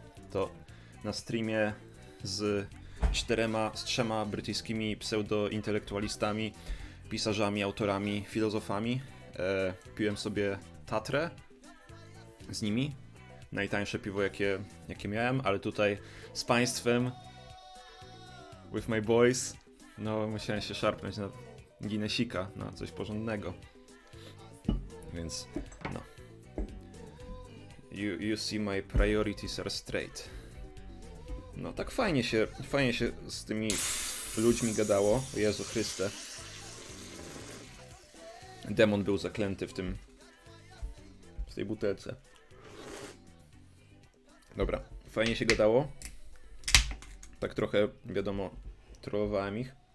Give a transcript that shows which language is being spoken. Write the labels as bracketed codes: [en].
[pl] To na streamie z trzema brytyjskimi pseudointelektualistami, pisarzami, autorami, filozofami piłem sobie Tatrę z nimi. Najtańsze piwo, jakie miałem, ale tutaj z Państwem, [en] with my boys, [pl] no musiałem się szarpnąć na Guinnessika, na coś porządnego. Więc, no. [en] You see my priorities are straight. [pl] No tak fajnie się z tymi ludźmi gadało. Jezu Chryste. Demon był zaklęty w tej butelce. Dobra, fajnie się gadało. Tak trochę, wiadomo, trollowałem ich.